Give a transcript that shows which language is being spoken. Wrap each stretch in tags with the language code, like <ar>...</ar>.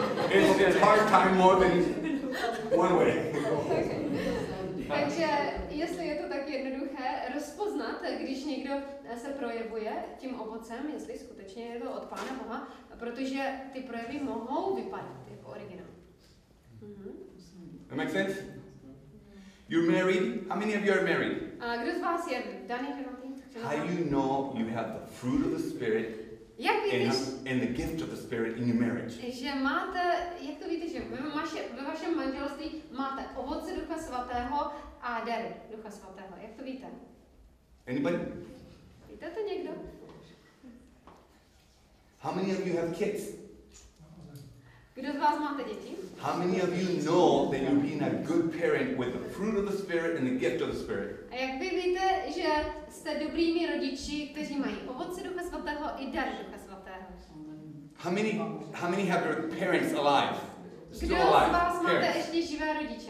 <en>It's a hard time more than one way. Okay.</en> <cs>Takže jestli je to tak jednoduché rozpoznat, když někdo se projevuje tím ovocem, jestli skutečně je to od Pána Boha, protože ty projevy mohou vypadat jako originál.</cs> <en>That makes sense? You're married. How many of you are married?</en> <cs>Kdo z vás je daný?</cs> <en>How do you know you have the fruit of the Spirit and the gift of the Spirit in your marriage?</en> <cs>Že máte, jak to víte, že ve vašem manželství máte ovoce Ducha Svatého a dary Ducha Svatého. Jak to víte?</cs> <en>Anybody?</en> <cs>Víte to někdo?</cs> <en>How many of you have kids?</en> <cs>Kdo z vás máte děti?</cs> <en>How many of you know that you're being a good parent with the fruit of the Spirit and the gift of the Spirit?</en> <cs>A jak vy víte, že jste dobrými rodiči, kteří mají ovoce Ducha Svatého i dar Ducha Svatého?</cs> <en>How many have your parents alive?</en> <cs>Kdo z vás máte ještě živé rodiče?</cs>